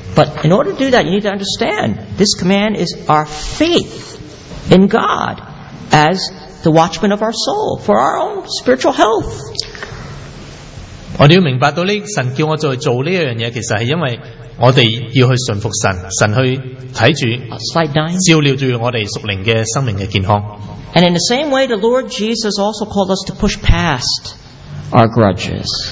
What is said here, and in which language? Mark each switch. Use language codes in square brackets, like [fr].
[en] But in order to do that, you need to understand this command is our faith in God as the watchman of our soul for our own spiritual health. [zh] 我们要明白到神叫我做这样东西，其实是因为我们要去顺服神，神去看着，照料着我们属灵的生命的健康。 [en] And in the same way, the Lord Jesus also called us to push past our grudges.